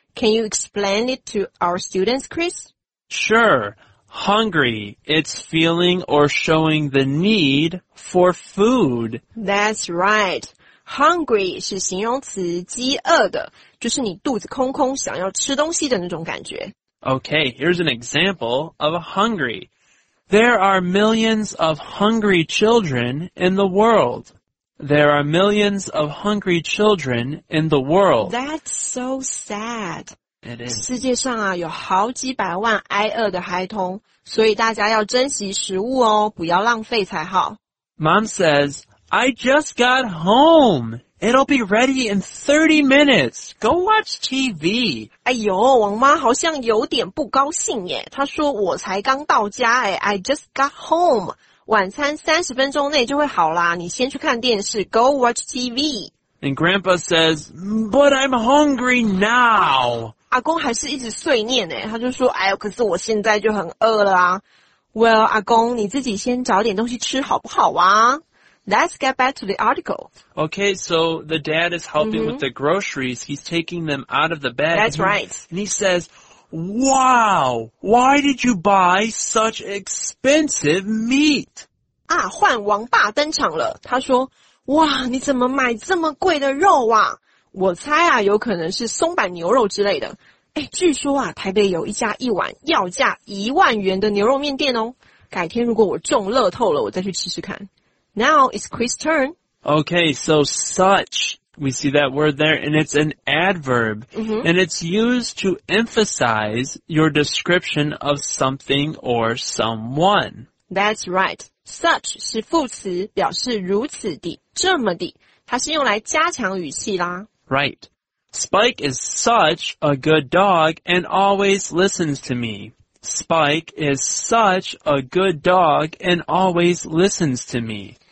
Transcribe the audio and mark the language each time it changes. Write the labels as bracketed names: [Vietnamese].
[English] Can you explain it to our students, Chris? Sure. Hungry, it's feeling or showing the need for food. That's right. [Chinese] Hungry 是形容词饥饿的，就是你肚子空空想要吃东西的那种感觉。 [English] Okay, here's an example of a hungry. There are millions of hungry children in the world. There are millions of hungry children in the world. That's so sad. It is. [Chinese] 世界上啊，有好几百万挨饿的孩童，所以大家要珍惜食物哦，不要浪费才好。 [English] Mom says, I just got home. It'll be ready in 30 minutes. Go watch TV. [Chinese] 哎呦，王妈好像有点不高兴耶。她说我才刚到家耶。 [English] I just got home. [Chinese] 晚餐30分钟内就会好啦。你先去看电视。 [English] Go watch TV. And Grandpa says, but I'm hungry now. [Chinese] 阿公还是一直碎念耶。他就说，哎呦，可是我现在就很饿了啊。 Well, 阿公，你自己先找点东西吃好不好啊？ [English] Let's get back to the article. Okay, so the dad is helping with the groceries. He's taking them out of the bag. That's right. And he says, wow, why did you buy such expensive meat? [Chinese] 啊，换王爸登场了。他说，哇，你怎么买这么贵的肉啊？我猜啊，有可能是松板牛肉之类的。诶，据说啊，台北有一家一碗要价10000元的牛肉面店哦。改天如果我中乐透了，我再去吃吃看。 [English] Now it's Chris' turn. Okay, so such, we see that word there, and it's an adverb. Mm-hmm. And it's used to emphasize your description of something or someone. That's right. [Chinese] Such 是副词，表示如此的，这么的，它是用来加强语气啦。 [English] Right. Spike is such a good dog and always listens to me. Spike is such a good dog and always listens to me.